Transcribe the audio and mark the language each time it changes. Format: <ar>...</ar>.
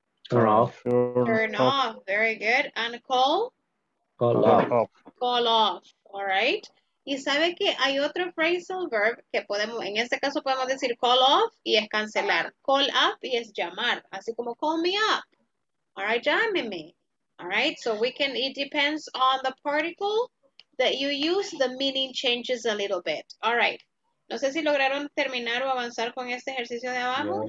<en>Turn off. Turn off. Very good. And call? Call off. Call off. All right.</en> <es>Y sabe que hay otro phrasal verb que podemos, en este caso podemos decir call off y es cancelar. Call up y es llamar. Así como call me up.</es> <en>All right,</en> <es>llámeme.</es> <en>All right, so we can, it depends on the particle that you use, the meaning changes a little bit. All right.</en> <es>No sé si lograron terminar o avanzar con este ejercicio de abajo.</es>